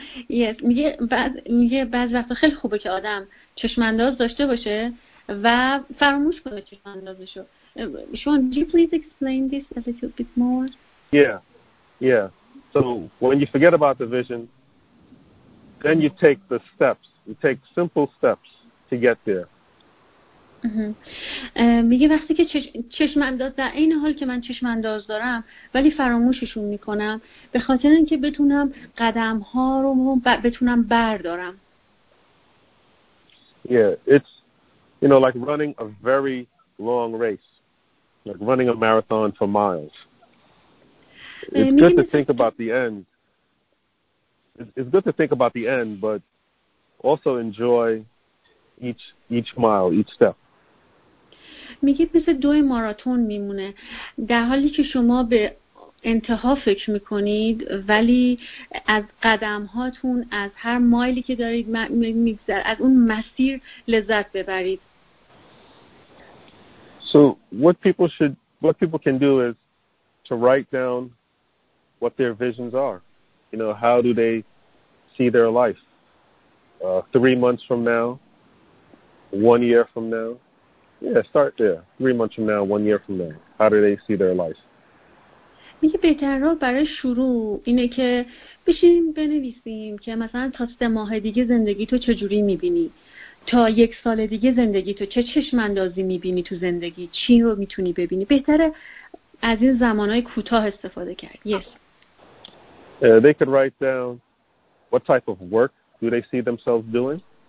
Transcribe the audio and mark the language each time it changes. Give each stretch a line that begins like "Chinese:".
English: Yes,
Persian: میگه بعض وقتا خیلی خوبه که آدم چشم‌انداز داشته باشه و فراموش کنه چشم‌اندازشو.
English: Sean, would you please explain this a little bit more? Yeah. So when you forget about the vision, then you take the steps. You take simple steps to get there.
Persian: میگه وقتی که چشم‌انداز در این حال که من چشم‌انداز دارم ولی فراموششون میکنم به خاطر اینکه بتونم قدم ها رو بتونم بردارم.
English: Yeah, it's, you know, like running a very long race. Like running a marathon for miles. It's good to think about the end. It's good to think about the end, but also enjoy each mile, each step.
Persian: میگه مثل دو ماراتون میمونه. در حالی که شما به انتها فکر میکنید ولی از قدم هاتون، از هر مایلی که دارید میگذرید، از اون مسیر لذت ببرید.
English: So what people can do is to write down what their visions are. You know, how do they see their life? 3 months from now, 1 year from now. Yeah, start there. 3 months from now, 1 year from now. How do they see their life?
Persian: میگه بهتر راه برای شروع اینه که بشینیم بنویسیم که مثلا تا 3 ماه دیگه زندگی تو چجوری میبینی؟ تا 1 سال دیگه زندگی تو چه چشم اندازی میبینی تو زندگی؟ چی رو میتونی ببینی؟ بهتره از این زمانهای کوتاه استفاده کرد.
English: Yes. They could write down what type of work do they see themselves doing.